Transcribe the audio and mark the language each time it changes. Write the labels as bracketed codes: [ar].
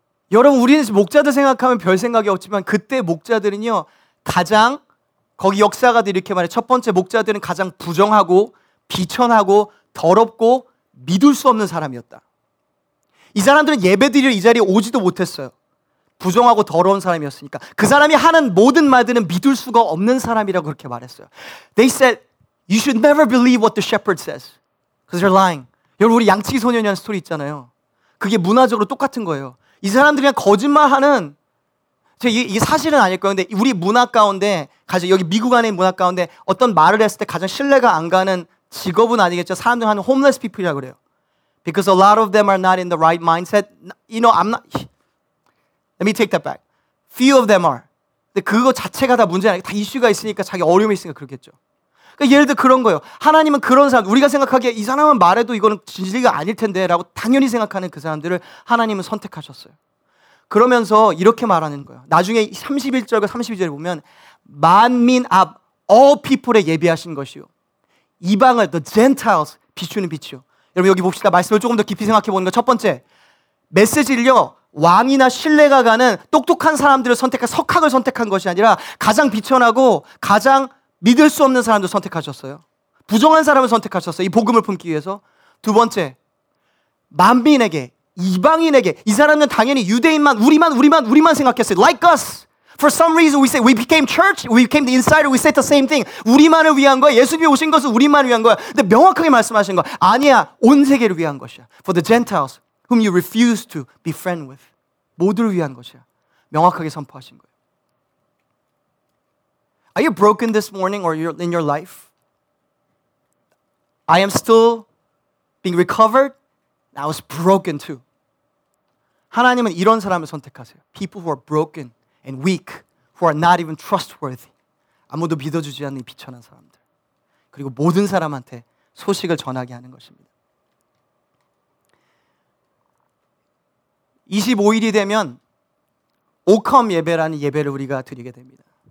[ko] 여러분 우리는 목자들 생각하면 별 생각이 없지만 그때 목자들은요 가장 거기 역사가도 이렇게 말해 첫 번째 목자들은 가장 부정하고 비천하고 더럽고 믿을 수 없는 사람이었다. 이 사람들은 예배드리러 이 자리에 오지도 못했어요. 부정하고 더러운 사람이었으니까 그 사람이 하는 모든 말들은 믿을 수가 없는 사람이라고 그렇게 말했어요. [en] They said, you should never believe what the shepherd says. Because they're lying. [ko] 여러분 우리 양치기 소년이라는 스토리 있잖아요. 그게 문화적으로 똑같은 거예요. 이 사람들이 그냥 거짓말하는 이게 사실은 아닐 거예요. 근데 우리 문화 가운데 가장 여기 미국 안에 문화 가운데 어떤 말을 했을 때 가장 신뢰가 안 가는 직업은 아니겠죠. 사람 중에 하는 homeless people이라고 그래요. [en] Because a lot of them are not in the right mindset. You know, I'm not... Let me take that back. Few of them are. [ko] 근데 그거 자체가 다 문제 아니에요. 다 이슈가 있으니까 자기 어려움이 있으니까 그렇겠죠. 그러니까 예를 들어 그런 거예요. 하나님은 그런 사람, 우리가 생각하기에 이 사람은 말해도 이거는 진리가 아닐 텐데 라고 당연히 생각하는 그 사람들을 하나님은 선택하셨어요. 그러면서 이렇게 말하는 거예요. 나중에 31절과 32절을 보면 만민 앞, [en] all people [ko] 에 예비하신 것이요. 이방을, [en] the Gentiles, [ko] 비추는 빛이요. 여러분 여기 봅시다. 말씀을 조금 더 깊이 생각해 보는 거. 첫 번째, 메시지를요. 왕이나 신뢰가 가는 똑똑한 사람들을 선택한 석학을 선택한 것이 아니라 가장 비천하고 가장 믿을 수 없는 사람도 선택하셨어요. 부정한 사람을 선택하셨어요. 이 복음을 품기 위해서. 두 번째, 만민에게, 이방인에게. 이 사람은 당연히 유대인만, 우리만 생각했어요. [en] Like us. For some reason we say we became church, we became the insider, we said the same thing. [ko] 우리만을 위한 거야. 예수님이 오신 것은 우리만을 위한 거야. 근데 명확하게 말씀하신 거 아니야. 온 세계를 위한 것이야. [en] For the Gentiles. whom you refuse to be friend with. [ko] 모두를 위한 것이야. 명확하게 선포하신 거예요. [en] Are you broken this morning or in your life? I am still being recovered. I was broken too. [ko] 하나님은 이런 사람을 선택하세요. [en] People who are broken and weak, who are not even trustworthy. [ko] 아무도 믿어주지 않는 이 비천한 사람들. 그리고 모든 사람한테 소식을 전하게 하는 것입니다. 25일이 되면 오컴 예배라는 예배를 우리가 드리게 됩니다.